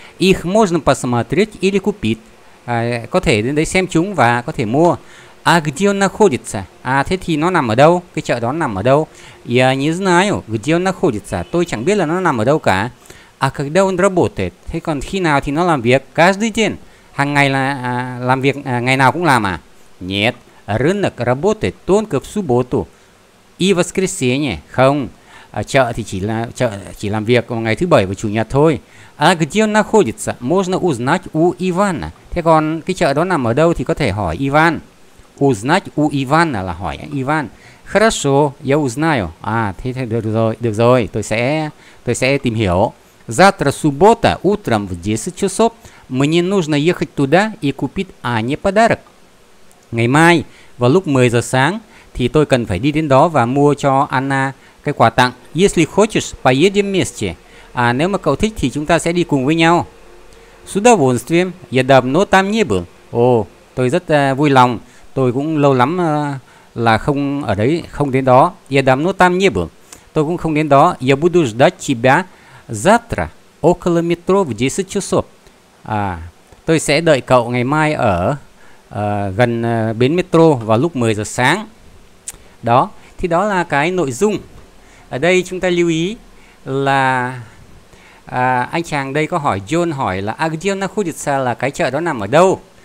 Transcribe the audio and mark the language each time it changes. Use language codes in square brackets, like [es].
[ru] Их можно посмотреть или купить. [vi] Có thể đến đấy xem chúng và có thể mua. [ru] А где он находится? [vi] Thế thì nó nằm ở đâu? Cái chợ đó nằm ở đâu? [ru] Я не знаю, где он находится. [vi] Tôi chẳng biết là nó nằm ở đâu cả. [ru] А когда он работает? [vi] Thế còn khi nào thì nó làm việc? [ru] Каждый день. [vi] Hàng ngày là làm việc, ngày nào cũng làm à? [ru] Нет. Рынок работает только в субботу. И воскресенье. [vi] Không. Chợ thì chỉ làm việc vào ngày thứ bảy và chủ nhật thôi. [ru] А где он находится? Можно узнать у Ивана. [vi] Thế còn cái chợ đó nằm ở đâu thì có thể hỏi Иван. [ru] Узнать у Ивана [vi] là hỏi [ru] Иван. Хорошо, я узнаю. [vi] Thế được rồi, tôi sẽ tìm hiểu. [ru] Завтра суббота утром в 10 часов мне нужно ехать туда и купить Ане подарок. [vi] Ngày mai vào lúc 10 giờ sáng thì tôi cần phải đi đến đó và mua cho Anna cái quà tặng. [ru] Если хочешь, поедем вместе. [vi] Nếu mà cậu thích thì chúng ta sẽ đi cùng với nhau. [ru] С удовольствием, я давно там не был. [vi] Tôi rất vui lòng. Tôi cũng lâu lắm là không ở đấy, không đến đó. [ru] Я давно там не был. [vi] Tôi cũng không đến đó. [ru] Я буду ждать тебя завтра около метро в 10 часов. [vi] Tôi sẽ đợi cậu ngày mai ở gần bến metro vào lúc 10 giờ sáng. Đó, thì đó là cái nội dung. Ở đây chúng ta lưu ý là anh chàng đây có hỏi, John hỏi là [ru] где он находится, [vi] là cái chợ đó nằm ở đâu.